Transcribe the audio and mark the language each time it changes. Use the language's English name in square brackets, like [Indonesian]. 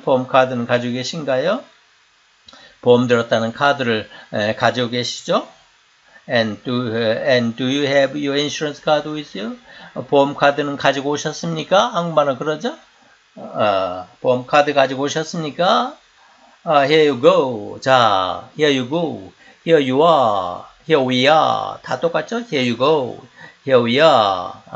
[Korean] 보험 카드는 가지고 계신가요? 보험 들었다는 카드를 가지고 계시죠? [English] And do you have your insurance card with you? [Korean] 보험 카드는 가지고 오셨습니까? 한국말은 그러죠? 보험 카드 가지고 오셨습니까? [English] Here you go. 자, here you go. Here you are. Here we are. [Korean] 다 똑같죠? [English] Here you go. Here we are.